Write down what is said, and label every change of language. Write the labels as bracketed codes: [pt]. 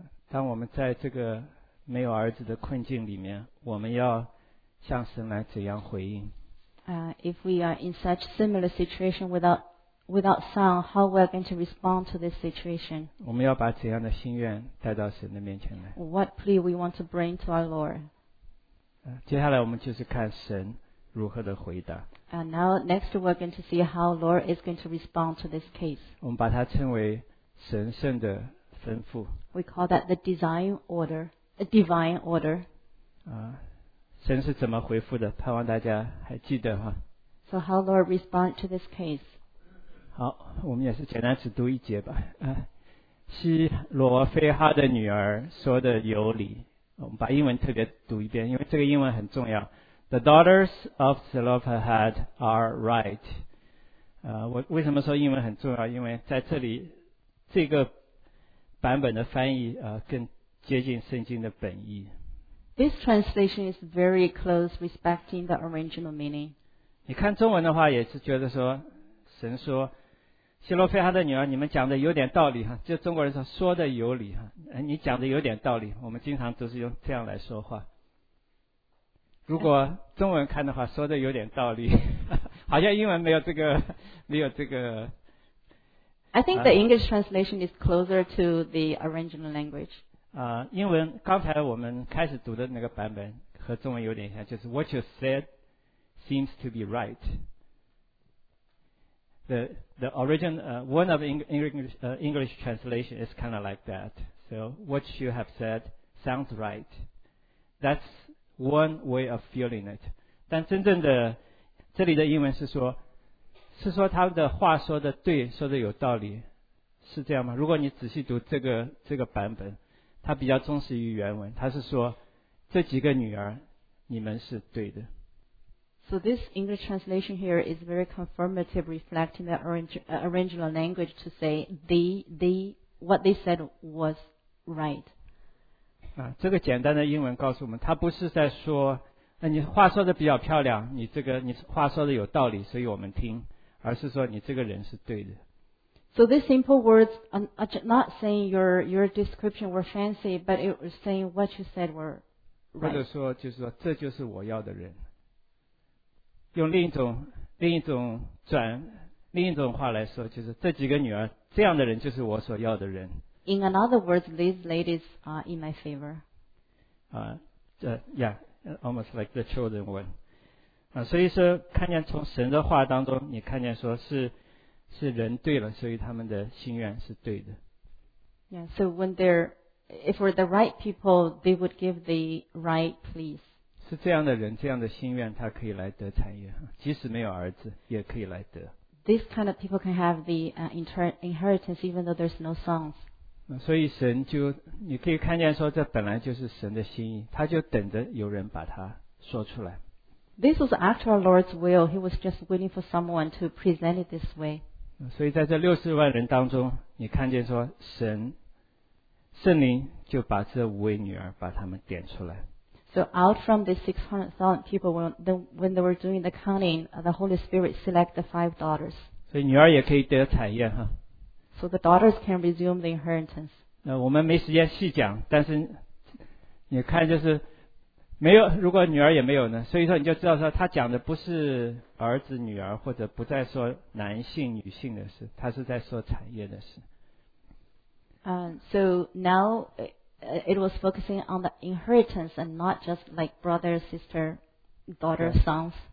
[zh] 当我们在这个没有儿子的困境里面，我们要向神来怎样回应？ [en] If we are in such similar situation without without sound, how we are going to respond to this situation? [zh] 我们要把怎样的心愿带到神的面前来？ [en] What plea we want to bring to our Lord? [zh] 接下来我们就是看神如何的回答。 [en] And now next we're going to see how Lord is going to respond to this case. [zh] 我们把它称为神圣的吩咐。 [en] We call that the design order, a divine order. [zh] 神是怎么回复的？盼望大家还记得哈。 [en] So how Lord respond to this case? [zh] 好，我们也是简单只读一节吧。西罗非哈的女儿说的有理。我们把英文特别读一遍，因为这个英文很重要。 [en] The daughters of Zelophehad are right. [zh] 我为什么说英文很重要？因为在这里，这个版本的翻译更接近圣经的本意。 [en] This translation is very close, respecting the original meaning. [zh] 你看中文的话，也是觉得说，神说，西罗非哈的女儿，你们讲的有点道理哈。就中国人说，说的有理哈，你讲的有点道理。我们经常都是用这样来说话。如果中文看的话，说的有点道理，好像英文没有这个，没有这个。 [en] I think the English translation is closer to the original language. [zh] 英文刚才我们开始读的那个版本和中文有点像，就是 [en] What you said seems to be right. The origin, one of English translation is kind of like that. So what you have said sounds right. That's one way of feeling it. [zh] 但真正的这里的英文是说，是说他的话说的对，说的有道理，是这样吗？如果你仔细读这个版本，它比较忠实于原文，它是说这几个女儿，你们是对的。 [en] So this English translation here is very confirmative, reflecting the original language to say what they said was right. [zh] 这个简单的英文告诉我们，它不是在说，那你话说的比较漂亮，你这个你话说的有道理，所以我们听。而是说你这个人是对的。 [en] So these simple words are not saying your description were fancy, but it was saying what you said were right. [zh] 或者说就是说这就是我要的人。用另一种话来说，就是这几个女儿这样的人就是我所要的人。 [en] In other words, these ladies are in my favor. Almost like the chosen one. [zh] 所以说看见从神的话当中，你看见说是人对了，所以他们的心愿是对的。 [en] Yeah, so when they're, if we're the right people, they would give the right pleas. [zh] 是这样的人，这样的心愿，他可以来得产业，即使没有儿子，也可以来得。 [en] This kind of people can have the inheritance even though there's no sons. [zh] 所以神就，你可以看见说这本来就是神的心意，他就等着有人把它说出来。 [en] This was after our Lord's will. He was just waiting for someone to present it this way. [zh] 所以在这六十万人当中，你看见说神圣灵就把这五位女儿把他们点出来。 [en] So out from the 600,000 people, when they were doing the counting, the Holy Spirit selected the five daughters. [zh] 所以女儿也可以得产业哈。 [en] So the daughters can resume the inheritance. [zh] 那我们没时间细讲，但是你看就是。没有，如果女儿也没有呢？所以说你就知道说他讲的不是儿子女儿，或者不再说男性女性的事，他是在说产业的事。 [en] So now it was focusing on the inheritance and not just like brother, sister, daughter, sons.